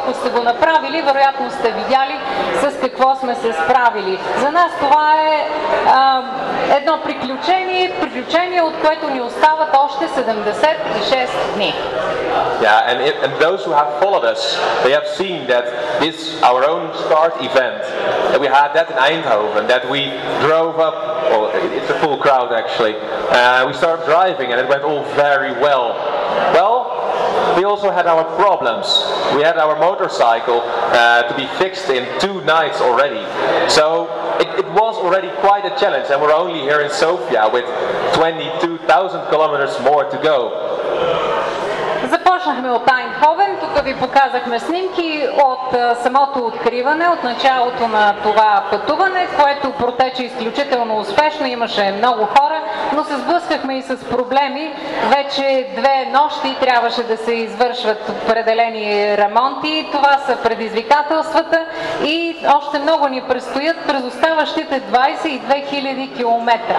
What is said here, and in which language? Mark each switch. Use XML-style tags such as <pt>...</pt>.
<bg>Ако сте го направили, вероятно сте видяли с какво сме се справили. За нас това е едно приключение, приключение, от което ни остават още 76 дни.</bg> <en>Yeah, and those who have followed us, they have seen that this our own start event that we had that in Eindhoven, that we drove up, it's a full crowd actually, we started driving and it went all very well. Well, we also had our problems. We had our motorcycle to be fixed in 2 nights already. So it was was already quite a challenge, and we're only here in Sofia with 22,000 kilometers more to go.</en> <bg>Започнахме от Айнховен, тук ви показахме снимки от самото откриване, от началото на това пътуване, което протече изключително успешно, имаше много хора, но се сблъскахме и с проблеми. Вече две нощи трябваше да се извършват определени ремонти, това са предизвикателствата и още много ни предстоят през оставащите 22 000 км.</bg>